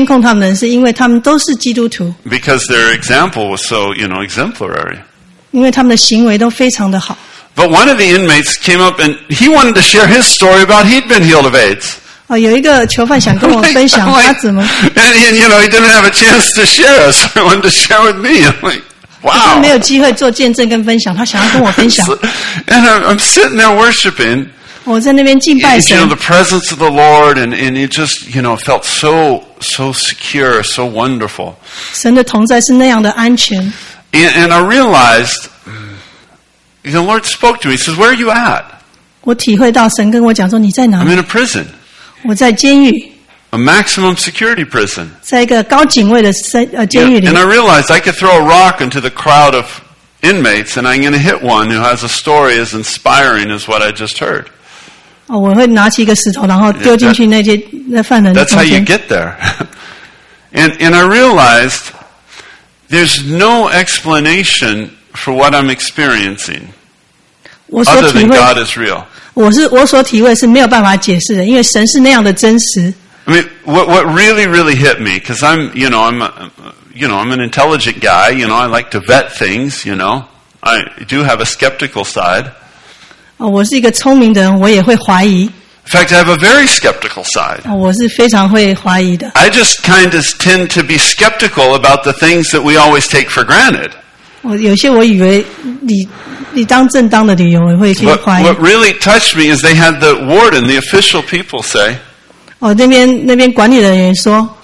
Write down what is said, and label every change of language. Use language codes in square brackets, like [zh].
[zh] 有那么少看他们的人监控他们的人是因为他们都是基督徒。 [en] Because their example was so, exemplary. [zh] 因为他们的行为都非常的好。 [en] But one of the inmates came up and he wanted to share his story about he'd been healed of AIDS. [zh] 有一个囚犯想跟我分享他怎么。 [en] And he didn't have a chance to share, so he wanted to share with me. I'm like, wow. [zh] 他没有机会做见证跟分享，他想要跟我分享。 [en] And I'm sitting there worshiping. You know, the presence of the Lord, and it just, you know, felt so, so secure, so wonderful. And I realized, you know, the Lord spoke to me. He says, where are you at? [zh] 我体会到神跟我讲说, [en] I'm in a prison. [zh] 我在监狱, [en] a maximum security prison. [zh] 在一个高警卫的监狱里, [en] and I realized I could throw a rock into the crowd of inmates and I'm going to hit one who has a story as inspiring as what I just heard. [zh] 哦, 我会拿起一个石头, 然后丢进去那些, [en] that's how you get there. And I realized there's no explanation for what I'm experiencing. [zh] 我所体会, [en] other than God is real. [zh] 我所体会, [en] I mean, what really, really hit me, because I'm an intelligent guy, you know, I like to vet things, you know. I do have a skeptical side. [zh] 我是一个聪明的人, 我也会怀疑。 [en] In fact, I have a very skeptical side. [zh] 我是非常会怀疑的。 [en] I just kind of tend to be skeptical about the things that we always take for granted. [zh] 有些我以为你 [en] what really touched me is they had the warden, the official people say, [zh] 哦,那边管理人员说,